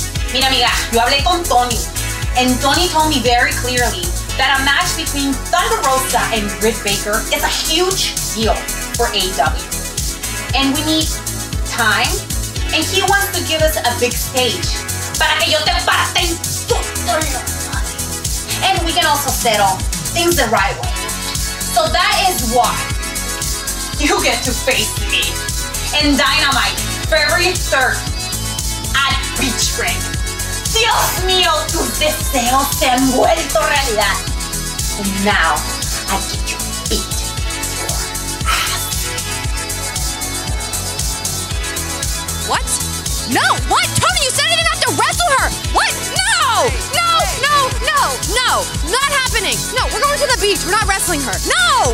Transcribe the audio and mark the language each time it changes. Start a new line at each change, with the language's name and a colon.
Spanish: Mira, amiga, yo hablé con Tony,
English: and Tony told me very clearly that a match between Thunder Rosa and Britt Baker is a huge deal for AEW. And we need time, and he wants to give us a big stage.
Spanish: Para que yo te parte en todo el mundo.
English: And we can also settle things the right way. So that is why you get to face me in Dynamite February 3rd at Beach Break.
Spanish: Dios mío, tus deseos se han vuelto realidad.
English: And now I get to beat your ass. What? No! What? Tony, you said I didn't have to wrestle her! What? No! No! No! No! No! Not happening! No, we're going to the beach. We're not wrestling her. No!